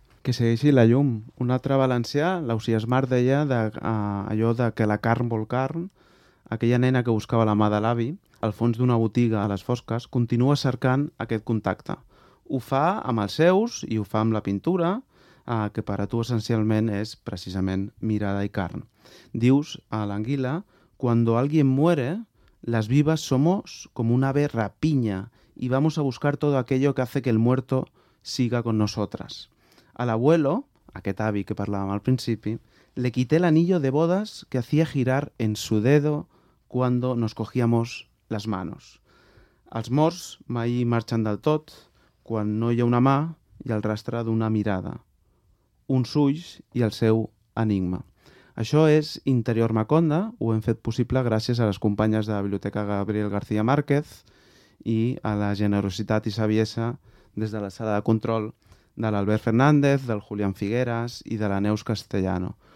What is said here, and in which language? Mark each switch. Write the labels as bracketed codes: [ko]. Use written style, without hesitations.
[ca] Que segueixi la llum. Un altre valencià, l'Ausia Smart, deia de, allò de que la carn vol carn, aquella nena que buscava la mà de l'avi, al fons d'una botiga a les fosques, continua cercant aquest contacte. Ho fa amb els seus i ho fa amb la pintura, que per a tu essencialment és precisament mirada i carn. Dius a l'Anguila, [es] cuando alguien muere, las vivas somos como un ave rapiña y vamos a buscar todo aquello que hace que el muerto siga con nosotras. A l'abuelo, [ca] aquest avi que parlàvem al principi, [es] le quité el anillo de bodas que hacía girar en su dedo cuando nos cogíamos las manos. [ca] Els morts mai marxen del tot quan no hi ha una mà i el rastre d'una mirada. Uns ulls i el seu enigma. Això és Interior Maconda, ho hem fet possible gràcies a les companyes de la Biblioteca Gabriel García Márquez i a la generositat i saviesa des de la sala de control de l'Albert Fernández, del Julián Figueras i de la Neus Castellano.